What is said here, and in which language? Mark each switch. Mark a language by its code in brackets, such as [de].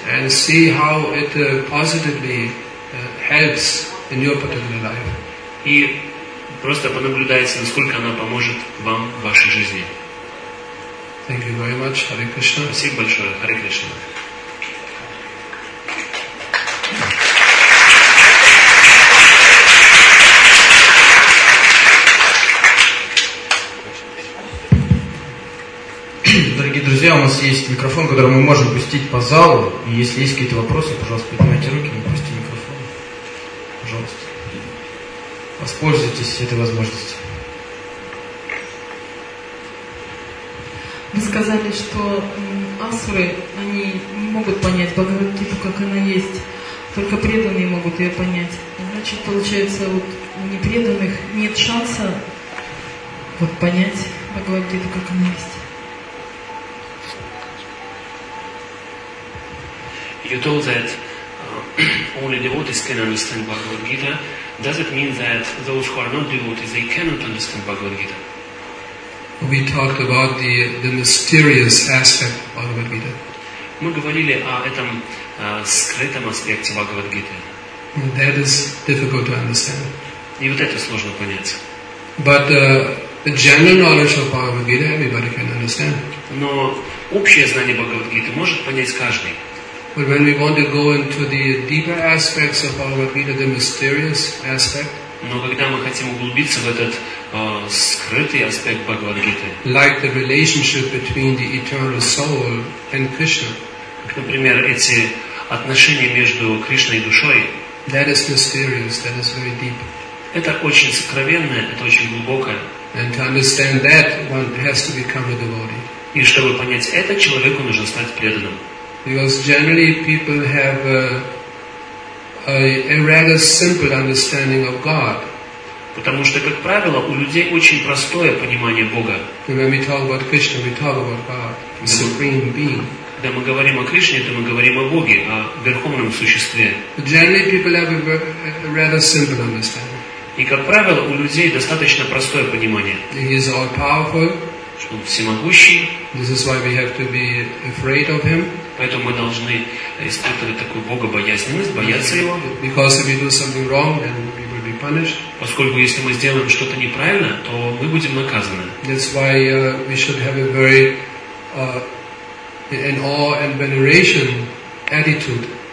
[en] And see how it positively helps in your particular life. [ru] И просто понаблюдайте, насколько она поможет вам в вашей жизни. [en] Thank you very much, Hare Krishna. [ru] Спасибо большое, Hare Krishna. Дорогие друзья, у нас есть микрофон, который мы можем пустить по залу. И если есть какие-то вопросы, пожалуйста, поднимайте руки, мы пустим микрофон. Пожалуйста. Воспользуйтесь этой возможностью. Вы сказали, что асуры, они не могут понять Бхагавад-гиту, как она есть. Только преданные могут ее понять. Значит, получается, вот у непреданных нет шанса вот понять Бхагавад-гиту, как она есть. [en] You told that only devotees can understand Bhagavad-gita. Does it mean that those who are not devotees, they cannot understand Bhagavad Gita? We talked about the mysterious aspect of Bhagavad Gita. [ru] Мы говорили о этом скрытом аспекте Bhagavad Gita. [en] That is difficult to understand. [ru] И вот это сложно понять. [en] But the general knowledge of Bhagavad Gita, everybody can understand. [ru] Но общее знание Bhagavad Gita может понять каждый. [en] But when we want to go into the deeper aspects of Bhagavad Gita, the mysterious aspect, [ru] но когда мы хотим углубиться в этот скрытый аспект Бхагавад Гиты, [en] like the relationship between the eternal soul and Krishna, [ru] как, например, эти отношения между Кришной и душой, [en] that is mysterious, that is very deep. [ru] Это очень сокровенное, это очень глубокое. [en] And to understand that, one has to become a devotee. [ru] И чтобы понять это, человеку нужно стать преданным. [en] Because generally people have a rather simple understanding of God. [ru] Потому что, как правило, у людей очень простое понимание Бога. [en] And when we talk about Krishna, we talk about God, the Supreme Being. [ru] Когда мы говорим о Кришне, то мы говорим о Боге, о Верховном Существе. [en] But generally people have a rather simple understanding. [ru] И, как правило, у людей достаточно простое понимание. [en] He is all-powerful. [ru] Что Он всемогущий. [en] This is why we have to be afraid of Him. [ru] Поэтому мы должны испытывать такую богобоязненность, бояться Его. [en] Because if we do something wrong, then we will be punished. [ru] Поскольку если мы сделаем что-то неправильно, то мы будем наказаны. [en] That's why we should have a very an awe and veneration attitude.